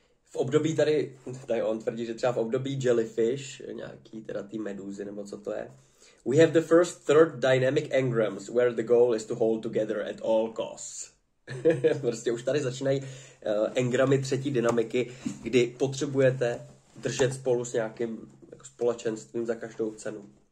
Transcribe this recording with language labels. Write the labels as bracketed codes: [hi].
[cs] V období tady on tvrdí, že třeba v období jellyfish, nějaký teda tý medúzy nebo co to je. [en] We have the first third dynamic engrams, where the goal is to hold together at all costs. [cs] Prostě už tady začínají engramy třetí dynamiky, kdy potřebujete držet spolu s nějakým jako společenstvím za každou cenu.